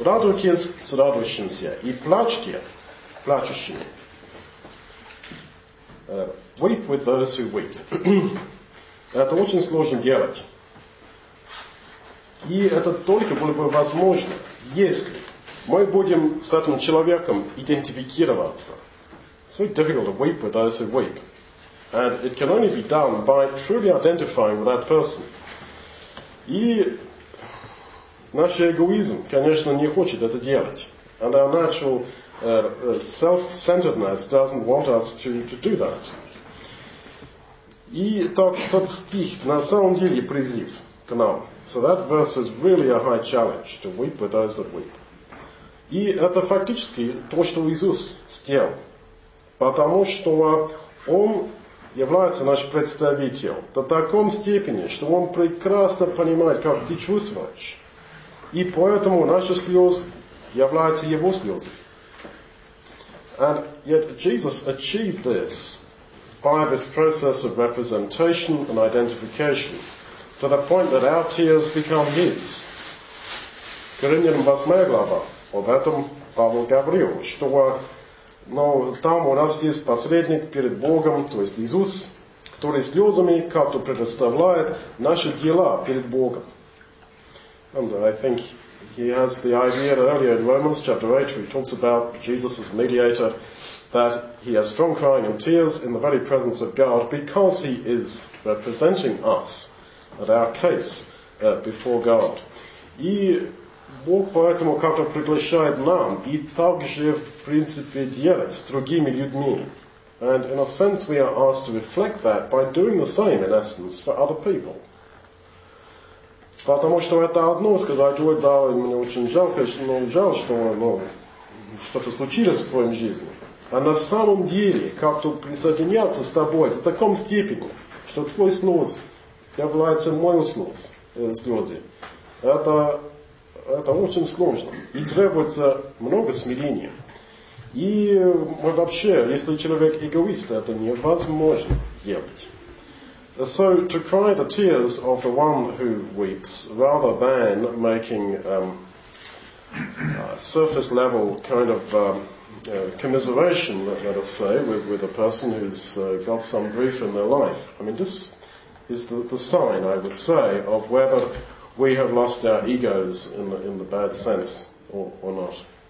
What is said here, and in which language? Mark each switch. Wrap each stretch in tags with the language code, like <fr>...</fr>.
<ru>Радуйтесь с радующимся и плачьте плачущими.</ru> <en>Weep with those who weep.</en> <ru>Это очень сложно делать. И это только было бы возможно, если мы будем с этим человеком идентифицироваться.</ru> <en>It's very difficult to weep with those who weep. And it can only be done by truly identifying with that person.</en> <ru>И наш эгоизм, конечно, не хочет это делать.</ru> <en>And our natural self-centeredness doesn't want us to do that.</en> <ru>И тот стих на самом деле призыв к нам.</ru> <en>So that verse is really a high challenge, to weep with those that weep.</en> <ru>И это фактически то, что Иисус сделал. Потому что Он является наш представитель до такой степени, что он прекрасно понимает, как ты чувствуешь. И поэтому наши слезы являются его слезами.</ru> <en>And yet Jesus achieved this by this process of representation and identification to the point that our tears become his.</en> <ru>Коринфянам 8 глава, об этом Павел говорил, что но там у нас есть посредник перед Богом, то есть Иисус, кто которые слезами как-то предоставляют наши дела перед Богом.</ru> <en>And I think he has the idea earlier in Romans chapter 8, where he talks about Jesus as mediator, that he has strong crying and tears in the very presence of God because he is representing us at our case before God.</en> <ru>И Бог поэтому как-то приглашает нам и также в принципе делать с другими людьми.</ru> <en>And in a sense we are asked to reflect that by doing the same in essence for other people.</en> <ru>Потому что это одно сказать, ой, да, мне очень жалко, но жаль, что ну, что-то случилось в твоем жизни. А на самом деле как-то присоединяться с тобой в таком степени, что твой снос является мой снос, слезы. Это очень сложно и требуется много смирения. И вообще, если человек эгоист, это невозможно делать.</ru> <en>So to cry the tears of the one who weeps, rather than making surface level kind of commiseration, let us say, with a person who's got some grief in their life. I mean, this is the sign, I would say, of whether we have lost our egos in the bad sense or not.</en>